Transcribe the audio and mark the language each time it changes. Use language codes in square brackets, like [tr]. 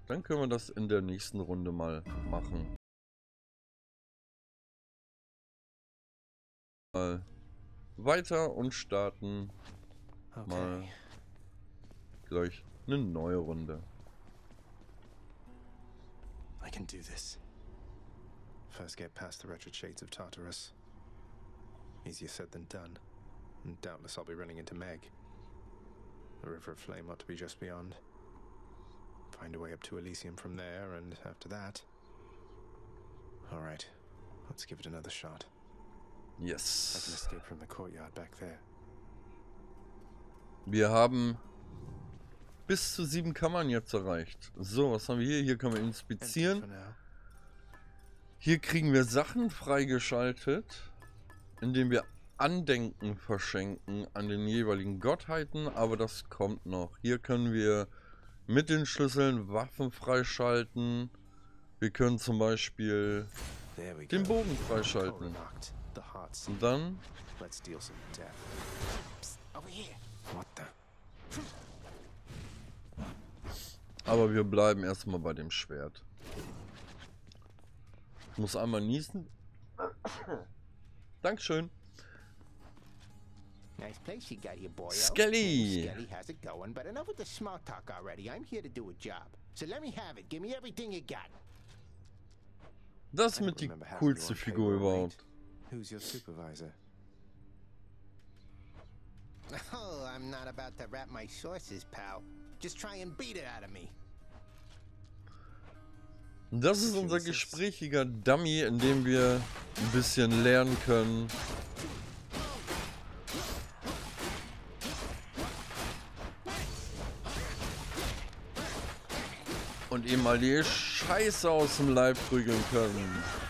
[de] Dann können wir das in der nächsten Runde mal machen. Mal weiter und starten mal gleich eine neue Runde. [en] I can do this. First get past the wretched shades of Tartarus. Easier said than done. And doubtless I'll be running into Meg. The River of Flame ought to be just beyond. Find a way up to Elysium from there, and after that. All right, let's give it another shot. Yes. I can escape from the courtyard back there. [de] Wir haben bis zu 7 Kammern jetzt erreicht. So, was haben wir hier? Hier können wir inspizieren. Hier kriegen wir Sachen freigeschaltet, indem wir Andenken verschenken an den jeweiligen Gottheiten, aber das kommt noch. Hier können wir mit den Schlüsseln Waffen freischalten. Wir können zum Beispiel den Bogen freischalten. Und dann. [en] Let's deal some death. Psst, over here. What the? [de] Aber wir bleiben erstmal bei dem Schwert. Ich muss einmal niesen. Dankeschön. [en] Nice place you got here, boyo. Skelly. Skelly, how's it going? But enough with the small talk already. I'm here to do a job. So let me have it. Give me everything you got. [de] Das ist mit die coolste Figur überhaupt. [en] Who's your supervisor? Oh, I'm not about to wrap my sources, pal. Just try and beat it out of me. [de] Das ist unser gesprächiger Dummy, in dem wir ein bisschen lernen können. Und ihm mal die Scheiße aus dem Leib prügeln können.